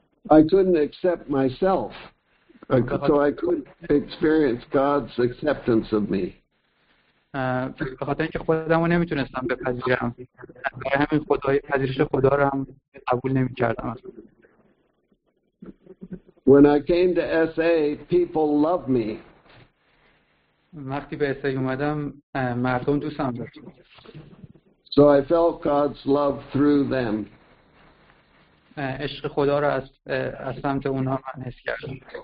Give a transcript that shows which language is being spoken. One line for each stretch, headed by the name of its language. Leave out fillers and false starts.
English: I couldn't accept myself. So I couldn't experience God's acceptance of me.
Persian: به خاطر اینکه خودم رو نمیتونستم بپذیرم برای همین خدای پذیرش خدا رو هم قبول نمیکردم.
English: When I came to SA, people loved me.
Persian: وقتی به SA اومدم مردم دوستم داشتن.
English: So I felt God's love through them.
Persian: عشق خدا رو از سمت اونها من حس کردم.